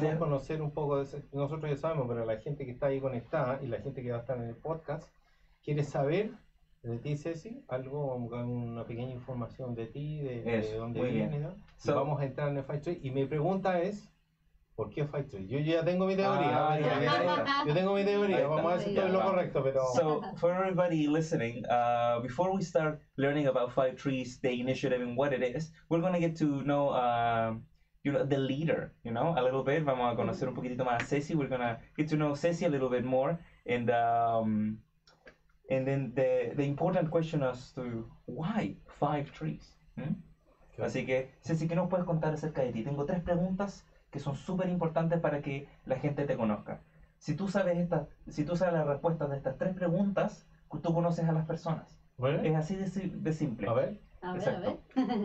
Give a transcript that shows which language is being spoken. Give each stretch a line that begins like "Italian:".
Spanish: Queremos conocer un poco de Ceci. Nosotros ya sabemos, pero la gente que está ahí conectada y la gente que va a estar en el podcast quiere saber de ti, Ceci, algo, una pequeña información de ti, de dónde vienes, ¿no? So, vamos a entrar en el Five Trees. Y mi pregunta es... ¿Por qué Five Trees? Yo ya tengo mi teoría.
English: So, for everybody listening, before we start learning about Five Trees, the initiative and what it is, we're going to get to know the leader, you know, a little bit.
Spanish: Vamos a conocer un poquitito más a Ceci.
English: We're going to get to know Ceci a little bit more. And then the important question as to why Five Trees? Okay.
Spanish: Así que, Ceci, ¿qué nos puedes contar acerca de ti? Tengo 3 preguntas. Que son súper importantes para que la gente te conozca. Si tú sabes las respuestas de estas 3 preguntas, tú conoces a las personas. ¿Vale? Es así de simple. A ver. Exacto. A ver.